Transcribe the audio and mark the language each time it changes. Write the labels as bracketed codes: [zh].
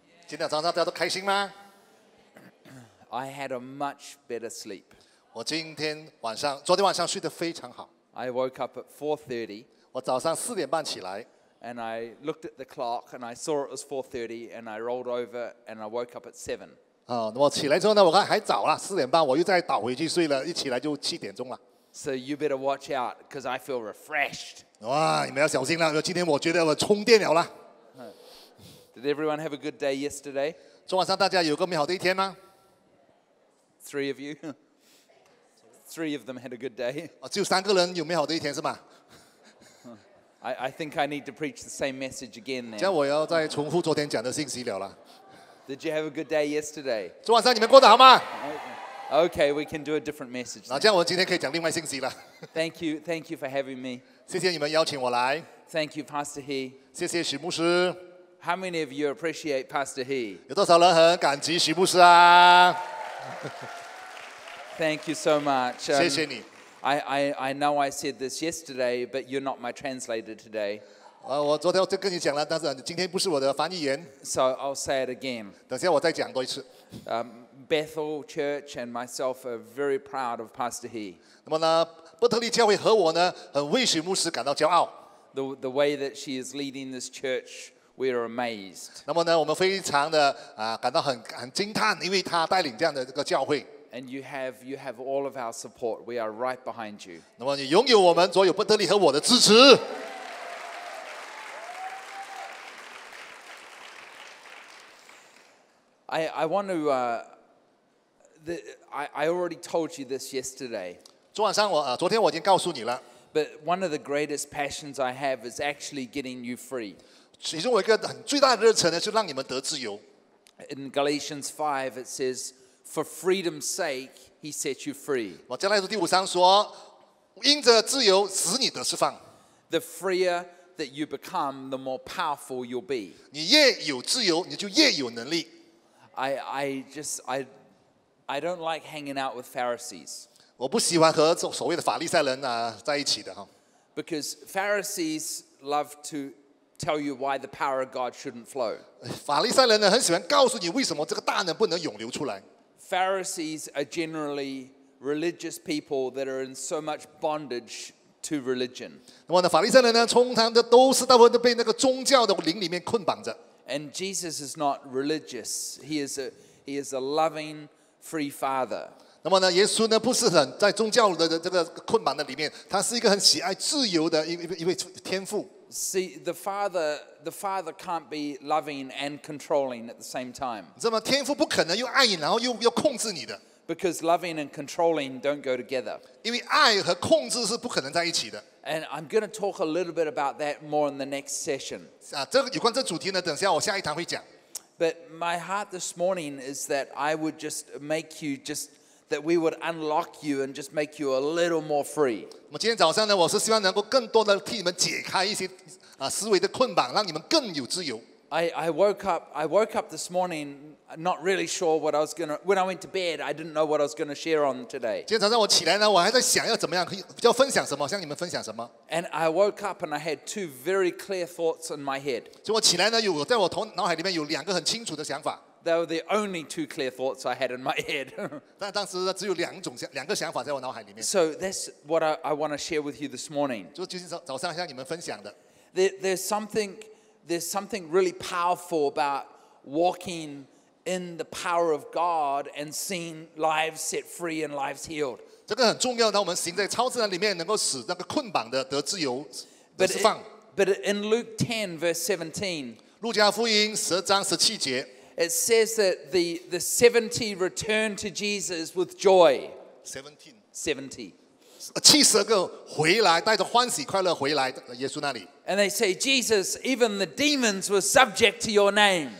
[zh] 今天早上大家都开心吗？ [en] I had a much better sleep. [zh] 我今天晚上，昨天晚上睡得非常好。 [en] I woke up at 4:30. [zh] 我早上四点半起来。 [en] And I looked at the clock and I saw it was 4:30 and I rolled over and I woke up at 7. [zh] 我起来之后呢，我看还早了，四点半我又再倒回去睡了，一起来就七点钟了。 [en] So you better watch out because I feel refreshed. [zh] 哇，你们要小心了，今天我觉得我充电了啦。 [en] Did everyone have a good day yesterday? [zh] 昨晚上大家有个美好的一天吗？ [en] Three of you. Three of them had a good day. [zh] 只有三个人有美好的一天是吗？ [en] I think I need to preach the same message again then. [zh] 这样我要再重复昨天讲的信息了啦。 [en] Did you have a good day yesterday? [zh] 昨晚上你们过得好吗？ [en] Okay, we can do a different message. [zh] 那这样我今天可以讲另外信息了。 [en] Thank you for having me. [zh] 谢谢你们邀请我来。 [en] Thank you, Pastor He. [zh] 谢谢许牧师。 [en] How many of you appreciate Pastor He? [zh] 有多少人很感激许牧师啊？ [en] Thank you so much. [zh] 谢谢你。 [en] I know I said this yesterday, but you're not my translator today. [zh] 我昨天就跟你讲了，但是今天不是我的翻译员。 [en] So I'll say it again. [zh] 等下我再讲多一次。 [en] Bethel Church and myself are very proud of Pastor He. [zh] 那么呢，伯特利教会和我呢，很为许牧师感到骄傲。 [en] The way that she is leading this church, we are amazed. [zh] 那么呢，我们非常的感到很惊叹，因为他带领这样的这个教会。 [en] And you have all of our support. We are right behind you. [zh] 那么你拥有我们所有伯特利和我的支持。 [en] I want to. I already told you this yesterday. [zh] 昨天我已经告诉你了。 [en] But one of the greatest passions I have is actually getting you free. [zh] 其中我一个最大的热忱呢，是让你们得自由。 [en] In Galatians 5, it says, "For freedom's sake, he set you free." [zh] 我加拉太书第五章说，因着自由使你得释放。 [en] The freer that you become, the more powerful you'll be. [zh] 你越有自由，你就越有能力。 [en] I don't like hanging out with Pharisees. [zh] 我不喜欢和所谓的法利赛人在一起的。 [en] Because Pharisees love to tell you why the power of God shouldn't flow. [zh] 法利赛人呢，很喜欢告诉你为什么这个大能不能涌流出来。 [en] Pharisees are generally religious people that are in so much bondage to religion. [zh] 那么呢，法利赛人呢，通常的都是大部分都被那个宗教的灵里面捆绑着。 [en] And Jesus is not religious. He is a loving free father. [zh] 那么呢，耶稣呢不是很在宗教的这个捆绑的里面，他是一个很喜爱自由的一位天父。 [en] See the father can't be loving and controlling at the same time. [zh] 那么天父不可能又爱你，然后又控制你的。 [en] Because loving and controlling don't go together. [zh] 因为爱和控制是不可能在一起的。 [en] And I'm going to talk a little bit about that more in the next session. [zh] 这个有关这主题呢，等下我下一堂会讲。 [en] But my heart this morning is that I would just make you just that we would unlock you and just make you a little more free. [zh] 那么今天早上呢，我是希望能够更多的替你们解开一些思维的捆绑，让你们更有自由。 [en] I woke up this morning not really sure what I was gonna when I went to bed. I didn't know what I was gonna share on today. [zh] 今天早上我起来呢，我还在想要怎么样可以要分享什么，向你们分享什么。 [en] And I woke up and I had two very clear thoughts in my head. [zh] 所以我起来呢，有在我头脑海里面有两个很清楚的想法。 [en] They were the only two clear thoughts I had in my head. [zh] 但当时只有两个想法在我脑海里面。 [en] So that's what I want to share with you this morning. [zh] 就今天早上向你们分享的。 [en] There's something really powerful about walking in the power of God and seeing lives set free and lives healed. [zh] 这个很重要，当我们行在超自然里面，能够使那个捆绑的得自由、得释放。 [en] But in Luke 10 verse 17, [zh] 路加福音十章十七节 [en] it says that the 70 returned to Jesus with joy. [zh] 七十个回来，带着欢喜快乐回来耶稣那里。 [en] And they say, Jesus, even the demons were subject to your name.